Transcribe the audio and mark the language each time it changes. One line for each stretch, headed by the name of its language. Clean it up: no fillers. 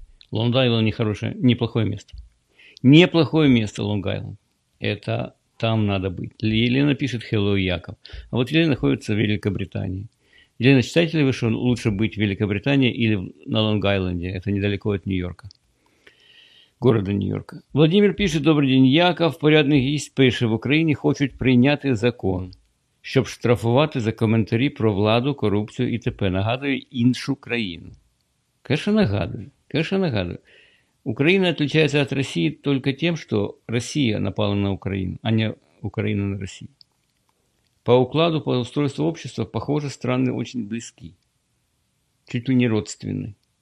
Russian: Long Island нехорошее, неплохое место. Неплохое место Long Island. Это там надо быть. Елена пишет: «Hello, Яков». А вот Елена находится в Великобритании. Елена, считаете ли вы, что лучше быть в Великобритании или на Лонг-Айленде? Это недалеко от Нью-Йорка. Города Нью-Йорка. Владимир пишет: «Добрый день, Яков.
Ukrainian: Порядок есть пише в Україні, хочуть прийняти закон, щоб штрафувати за коментарі про владу, корупцію і т.п. Нагадую, іншу країну».
Russian: Конечно, нагадую. Конечно, нагадую. Украина отличается от России только тем, что Россия напала на Украину, а не Украина на Россию. По укладу, по устройству общества, похоже, страны очень близки, чуть ли не родственны.